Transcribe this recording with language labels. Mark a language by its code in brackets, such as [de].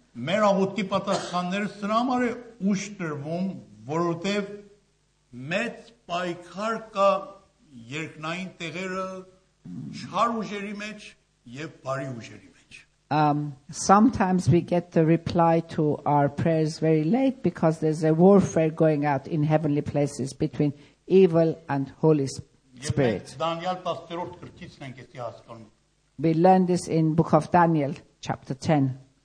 [hy] Մեր աղոթքի պատասխանները սրա համար է ուշ տրվում, որովհետև մեծ պայքար կա երկնային տեղերը չար ուժերի մեջ եւ բարի ուժերի մեջ։ [en] Sometimes we get the reply to our prayers very late because there's a warfare going out in heavenly places between evil and holy spirit. [hy] Դանիել 10-րդ գրքից ենք էսի հասկանում։ [en] We learn this in Book of Daniel chapter 10.